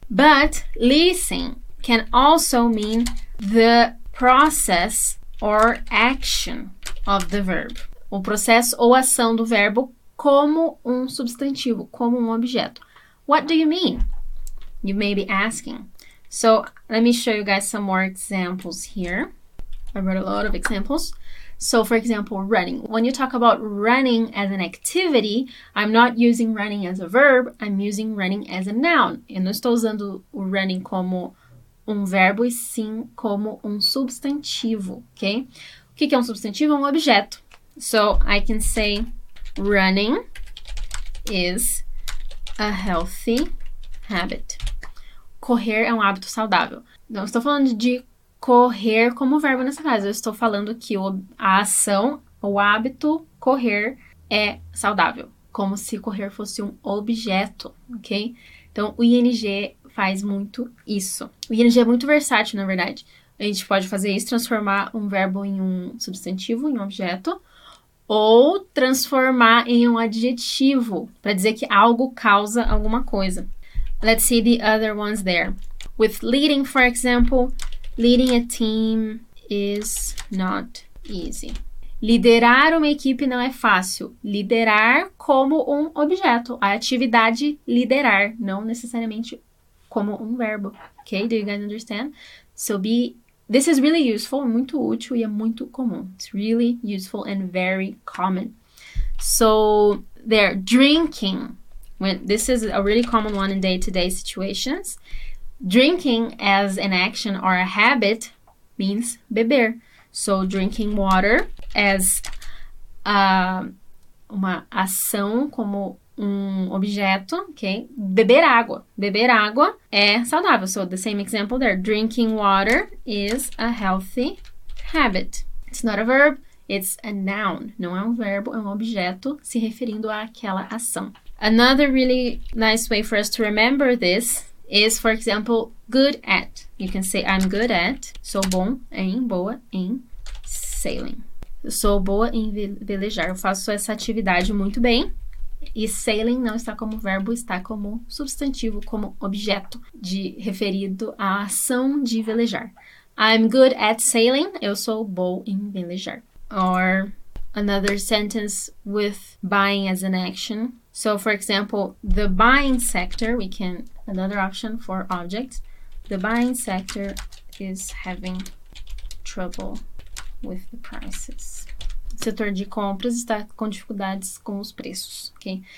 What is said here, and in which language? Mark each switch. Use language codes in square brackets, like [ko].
[en] But leasing can also mean the process or action of the verb. [pt] O processo ou ação do verbo como substantivo, como objeto. [en] What do you mean? You may be asking. So let me show you guys some more examples here. I wrote a lot of examples. So, for example, running. When you talk about running as an activity, I'm not using running as a verb, I'm using running as a noun. [pt] Eu não estou usando o running como verbo, e sim como substantivo, okay? O que é substantivo? Objeto. [en] So, I can say running is a healthy habit. [pt] Correr é hábito saudável. Não estou falando de correr como verbo nessa casa. Eu estou falando que a ação, o hábito, correr, é saudável. Como se correr fosse objeto, ok? Então, o ING faz muito isso. O ING é muito versátil, na verdade. A gente pode fazer isso, transformar verbo em substantivo, em objeto, ou transformar em adjetivo, para dizer que algo causa alguma coisa. [en] Let's see the other ones there. With leading, for example, leading a team is not easy. [pt] Liderar uma equipe não é fácil. Liderar como objeto. A atividade liderar, não necessariamente como verbo. [en] Okay, do you guys understand? So this is really useful, [pt] muito útil e é muito comum. [en] It's really useful and very common. So there, drinking. This is a really common one in day-to-day situations. Drinking as an action or a habit means beber. So, drinking water as [pt] uma ação, como objeto, [en] okay? [pt] Beber água. Beber água é saudável. [en] So, the same example there. Drinking water is a healthy habit. It's not a verb, it's a noun. [pt] Não é verbo, é objeto se referindo àquela ação. [en] Another really nice way for us to remember this is, for example, good at. You can say, I'm good at. [pt] Sou bom em, boa em, [en] sailing. [pt] Sou boa em velejar. Eu faço essa atividade muito bem. E sailing não está como verbo, está como substantivo, como objeto, de referido à ação de velejar. [en] I'm good at sailing. [pt] Eu sou bom em velejar. [en] Or another sentence with buying as an action. So, for example, the buying sector, another option for objects. The buying sector is having trouble with the prices. [pt] O setor de compras está com dificuldades com os preços, okay?